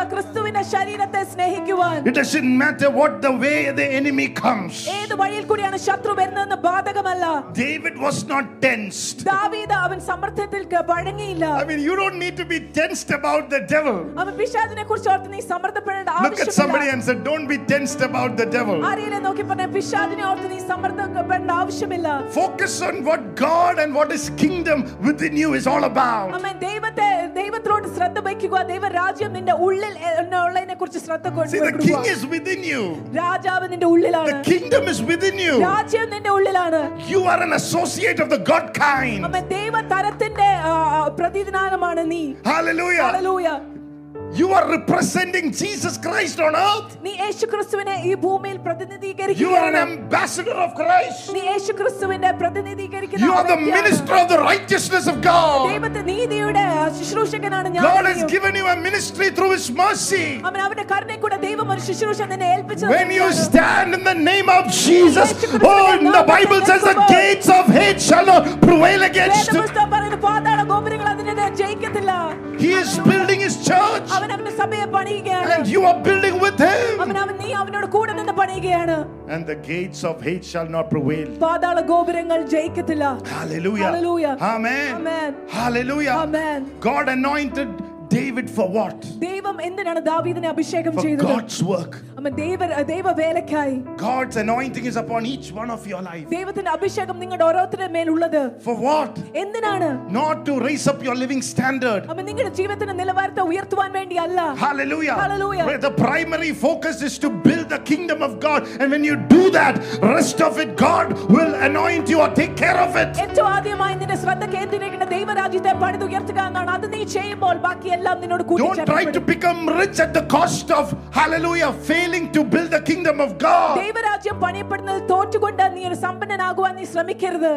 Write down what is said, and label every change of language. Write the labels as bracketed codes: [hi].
[en] It doesn't matter what the way the enemy comes. [ml] ഏത് വഴിയിൽ കൂടിയാണ് ശത്രു വരുന്നതെന്ന് ബാധകമല്ല. [en] David was not tensed. [ml] ദാവീദ് അവൻ സമർത്ഥത്തിൽ പടങ്ങിയില്ല. [en] I mean, you don't need to be tensed about the devil. [ml] അവൻ പിശാചിനെ കുറിച്ച് ഓർത്ത് നീ സമർത്ഥപ്പെടേണ്ട ആവശ്യമില്ല. [en] Look at somebody and say, don't be tensed about the devil. [ml] ആരെയെങ്കിലും നോക്കി പറഞ്ഞേ, പിശാചിനെ ഓർത്ത് നീ സമർത്ഥപ്പെടേണ്ട ആവശ്യമില്ല. [en] Focus on what God and what his kingdom within you is all about. [ml] അവൻ ദൈവത്തോട് ശ്രദ്ധ വെക്കുക. ദൈവരാജ്യം നിന്റെ ഉള്ളിൽ ഉള്ളതിനെ കുറിച്ച് ശ്രദ്ധ കൊണ്ടുവരിക. [en] The king is within you. [ml] രാജാവ് നിന്റെ ഉള്ളിലാണ്. [en] The kingdom is within you. [ml] രാജ്യം നിന്റെ ഉള്ളിലാണ്. [en] You are an associate of the God kind. [ml] നമ്മ ദൈവതരത്തിന്റെ പ്രതിനിധാനമാണ് നീ. [en] Hallelujah. Hallelujah. You are representing Jesus Christ on earth. [ml] നീ യേശുക്രിസ്തുവിനെ ഈ ഭൂമിയിൽ പ്രതിനിധീകരിക്കുന്നു. [en] You are an ambassador of Christ. [ml] നീ യേശുക്രിസ്തുവിനെ പ്രതിനിധീകരിക്കുന്നു. [en] You are the minister of the righteousness of God. [ml] ദൈവത്തെ നീതിയുടെ ശുശ്രൂഷകനാണ് ഞാൻ. [en] God has given you a ministry through his mercy. [ml] അവൻ അവന്റെ കരുണയിലൂടെ ദൈവം ഒരു ശുശ്രൂഷ നിന്നെ ഏൽപ്പിച്ചു. [en] When you stand in the name of Jesus, oh, the Bible says the gates of hell shall not prevail against you. [ml] വേദപുസ്തകം പറയുന്നു പാതാള ഗോപുരങ്ങൾ അതിനെ ജയിക്കത്തില്ല. [en] He is building his church. [ml] അവൻ അവന്റെ സഭയെ പണിയുകയാണ്. [en] And you are building with him. [ml] അവൻ നീ അവനോട് കൂടെ നിന്ന് പണിയുകയാണ്. [en] And the gates of hell shall not prevail. [ml] പാതാള ഗോപുരങ്ങൾ ജയിക്കത്തില്ല. [en] Hallelujah. Hallelujah. Amen. Amen. Hallelujah. Amen. God anointed David for what? [ml] ദൈവം എന്തിനാണ് ദാവീദിനെ അഭിഷേകം ചെയ്തത്? [en] For God's work. [ml] അമ്മ ദൈവ വേലക്കായി. [en] God's anointing is upon each one of your life. [ml] ദൈവത്തിന്റെ അഭിഷേകം നിങ്ങളുടെ ഓരോരുത്തരുടെ മേൽ ഉള്ളത്. [en] For what? [ml] എന്തിനാണ്? [en] Not to raise up your living standard. [ml] അമ്മ നിങ്ങളുടെ ജീവിതത്തിന്റെ നിലവാരത്തെ ഉയർത്തുവാൻ വേണ്ടിയല്ല. [en] Hallelujah. Hallelujah. Where the primary focus is to build the kingdom of God, and when you do that, rest of it God will anoint you or take care of it. [ml] ഏറ്റവും ആദ്യമായി നിന്റെ ശ്രദ്ധ കേന്ദ്രീകരിക്കുന്ന ദൈവരാജ്യത്തെ പണിതുയർത്തുക എന്നാണ്. അത് നീ ചെയ്യുമ്പോൾ ബാക്കി ഇതെല്ലാം നിന്നോട് കൂട്ടിച്ചേർക്കപ്പെടും [en] don't try to become rich at the cost of hallelujah failing to build the kingdom of god [ml] ദൈവരാജ്യം പണിയപ്പെടുന്നത് തോറ്റുകൊണ്ട് നീ ഒരു സമ്പന്നനാകുവാൻ നീ ശ്രമിക്കരുത്